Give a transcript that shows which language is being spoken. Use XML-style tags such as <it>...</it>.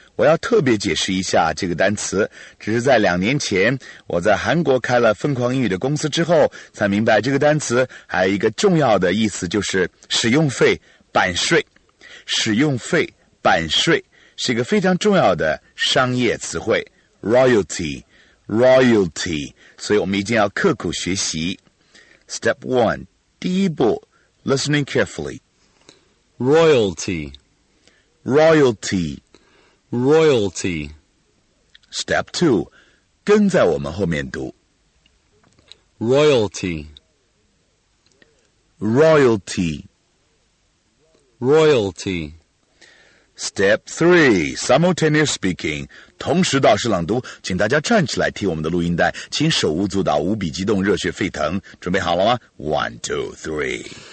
<zh>我要特别解释一下这个单词，只是在两年前我在韩国开了疯狂英语的公司之后才明白，这个单词还有一个重要的意思，就是使用费版税。使用费版税是一个非常重要的商业词汇， RoyaltyRoyalty, 所以我们一定要刻苦学习。</zh> <en>Step 1,</en> <zh>第一步,</zh> <en>listening carefully. Royalty. Royalty. Royalty. Step 2,</en> <zh>跟在我们后面读。</zh> <en>Royalty. Royalty. Royalty. Step 3, simultaneous speaking.</en> <zh>同时大声朗读，请大家站起来听我们的录音带，请手舞足蹈，无比激动，热血沸腾，准备好了吗 ？</zh> <en>One, two, three.</en>